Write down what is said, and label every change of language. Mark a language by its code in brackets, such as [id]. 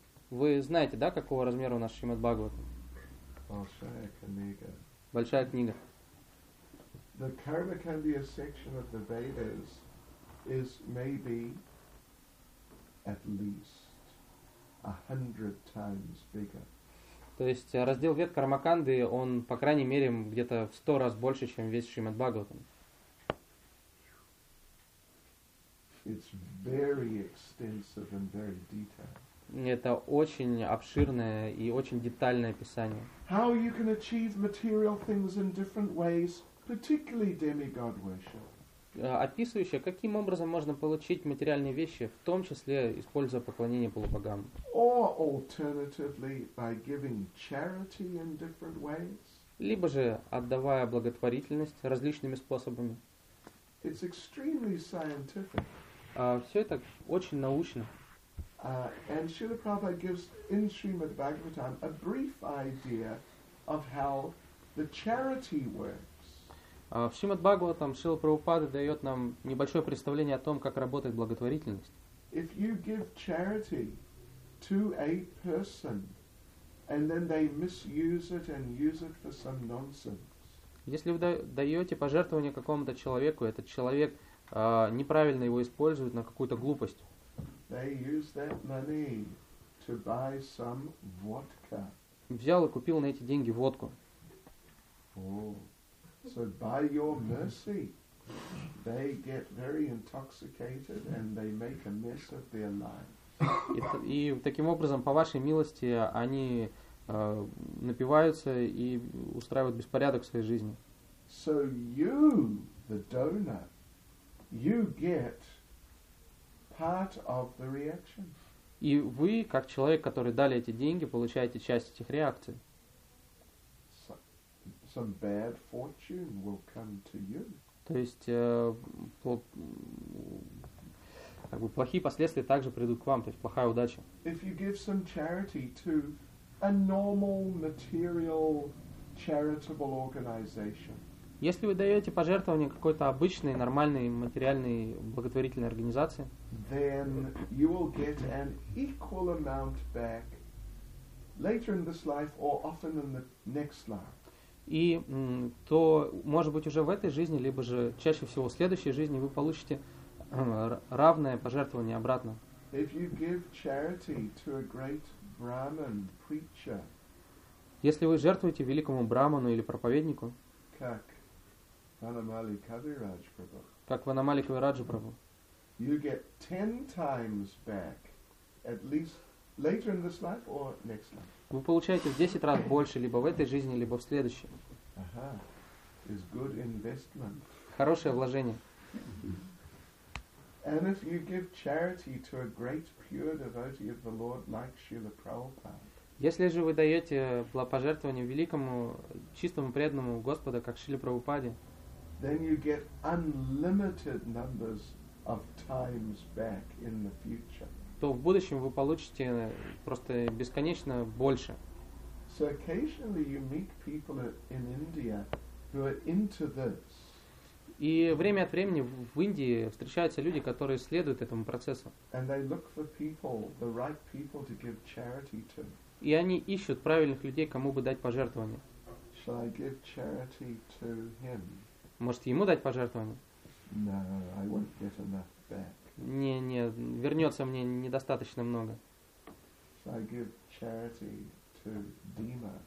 [ru] Вы знаете, да, какого размера у нас Шримад Бхагаватам? Большая книга. Большая книга. [en] The Karmakandiya section of the Vedas is maybe at least 100 times bigger. [ru] То есть раздел Вед Кармаканды, он по крайней мере где-то в 100 раз больше, чем весь Шримад Бхагаватам. [en] It's very extensive and very detailed. [ru] Это очень обширное и очень детальное описание. [en] How you can achieve material things in different ways, particularly demigod worship. [ru] Описывающее, каким образом можно получить материальные вещи, в том числе используя поклонение полубогам. [en] Or alternatively by giving charity in different ways. [ru] Либо же отдавая благотворительность различными способами. [en] It's extremely scientific. [ru] Все это очень научно. [en] And Srila Prabhupada gives in Srimad Bhagavatam a brief idea of how the charity works. [ru] В Шримад Бхагаватам Шрила Прабхупада дает нам небольшое представление о том, как работает благотворительность. [en] If you give charity to a person and then they misuse it and use it for some nonsense. [ru] Если вы даете пожертвование какому-то человеку, этот человек неправильно его используют на какую-то глупость. [en] They use that money to buy some vodka. [ru] Взял и купил на эти деньги водку. Oh. [en] So by your mercy, they get very intoxicated and they make a mess of their life. [ru] И таким образом, по вашей милости, они напиваются и устраивают беспорядок в своей жизни. [en] So you, the donor, you get part of the reaction. [ru] И вы, как человек, который дали эти деньги, получаете часть этих реакций. [en] Some bad fortune will come to you. [ru] То есть плохие последствия также придут к вам, то есть плохая удача. [en] If you give some charity to a normal material charitable organization. [ru] Если вы даете пожертвование какой-то обычной, нормальной, материальной, благотворительной организации, [en] then you will get an equal amount back later in this life or often in the next life. [ru] И то, может быть, уже в этой жизни, либо же чаще всего в следующей жизни вы получите равное пожертвование обратно. [en] If you give charity to a great Brahmin preacher, [ru] если вы жертвуете великому брахману или проповеднику, как? Ванамали Кавирадж Прабху. Как Ванамали Кавирадж Прабху. [en] You get 10 times back, at least later in this life or next life. [ru] Вы получаете в 10 раз больше, либо в этой жизни, либо в следующей. [en] Aha. It's good investment. [ru] Хорошее вложение. [en] And if you give charity to a great pure devotee of the Lord like Srila Prabhupada. [ru] Если же вы даете пожертвование великому, чистому, преданному Господу, как Шриле Прабхупаде, [en] then you get unlimited numbers of times back in the future. [ru] То в будущем вы получите просто бесконечно больше. [en] So occasionally you meet people in India who are into this. [ru] И время от времени в Индии встречаются люди, которые следуют этому процессу. [en] And they look for people, the right people to give charity to. [ru] И они ищут правильных людей, кому бы дать пожертвование. [en] Shall I give charity to him? [ru] Может, ему дать пожертвование? [en] No, I won't get enough back. [ru] Не, вернется мне недостаточно много. [en] So I give charity to Dima.